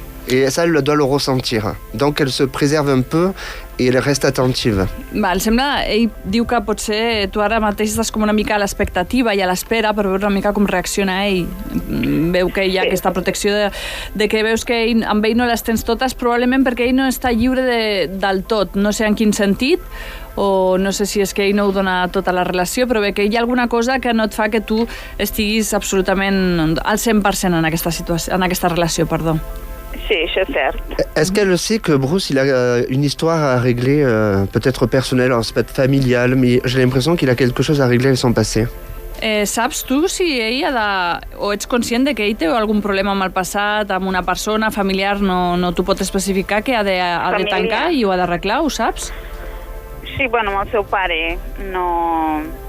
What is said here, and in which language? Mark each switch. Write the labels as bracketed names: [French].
[French] Et ça, elle doit le ressentir. Donc, elle se préserve un peu et elle reste attentive. [Catalan] Val, sembla, ell diu que potser tu ara mateix estàs com una mica a l'expectativa i a l'espera per veure una mica com reacciona ell. Veu que hi ha aquesta protecció de que veus que ell, amb ell no les tens totes, probablement perquè ell no està lliure del tot. No sé en quin sentit, o no sé si és que ell no ho dona tota la relació, però bé, que hi ha alguna cosa que no et fa que tu estiguis absolutament al 100% en aquesta situació, en aquesta relació, perdó. [French] Sí, c'est certes. Est-ce qu'elle sait que Bruce, il a une histoire à régler, peut-être personnelle, alors c'est peut-être familial, mais j'ai l'impression qu'il a quelque chose à régler avec son passé. [Catalan] Saps tu si ell ha de... o ets conscient de que ell té algun problema amb el passat, amb una persona, familiar, no t'ho pot especificar, que ha de tancar i ho ha d'arreglar, ho saps? Sí, bueno, amb el seu pare, no...